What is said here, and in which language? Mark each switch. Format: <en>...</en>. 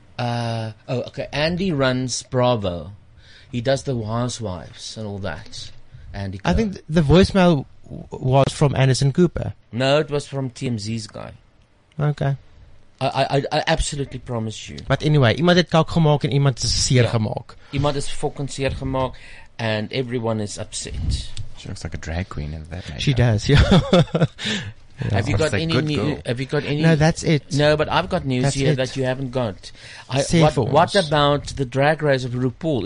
<en>Andy runs Bravo. He does the Housewives and all that. Andy Cohen. I think the voicemail was from Anderson Cooper. No, it was from TMZ's guy. Okay. I absolutely promise you. But anyway,</en> <af>iemand het kalk gemaak en iemand is seer gemaak. Iemand is fucking seer gemaak</af> <en>and everyone is upset. She looks like a drag queen in that. She does, yeah. Yeah. Have you got any? No, that's it. No, but I've got news that's here it. That you haven't got. What about the drag race of RuPaul?</en>